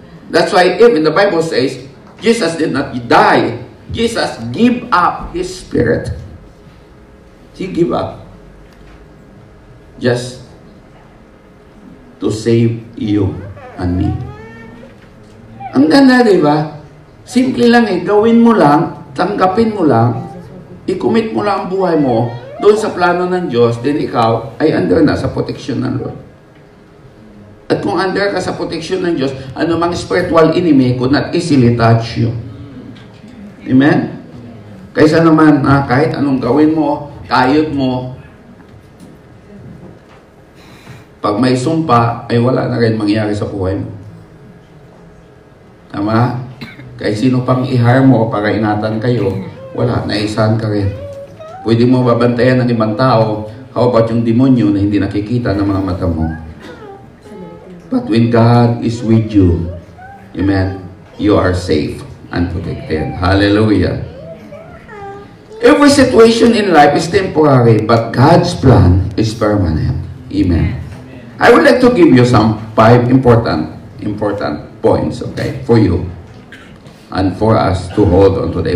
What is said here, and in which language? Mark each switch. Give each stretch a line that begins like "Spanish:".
English: That's why even the Bible says, Jesus did not die. Jesus gave up His spirit. He gave up just to save you and me.
Filipino: Ang ganda, di ba? Simple lang eh. Gawin mo lang, tanggapin mo lang, i-commit mo lang ang buhay mo doon sa plano ng Diyos, then ikaw ay under na sa protection ng Lord. At kung under ka sa protection ng Diyos, ano mang
English: spiritual enemy could not easily touch you.
Filipino: Amen? Kaysa naman, ha, kahit anong gawin mo, kayot mo, pag may sumpa, ay wala na rin mangyari sa buhay mo. Tama? Kahit sino pang i-harm mo para inatan kayo, wala, naisahan ka rin. Pwede mo babantayan ng ibang tao,
English: how about
Filipino: yung demonyo na hindi nakikita ng mga mata mo?
English: But when God is with you, amen, you are safe and protected. Hallelujah. Every situation in life is temporary, but God's plan is permanent. Amen. I would like to give you some five important points, okay, for you and for us to hold on today.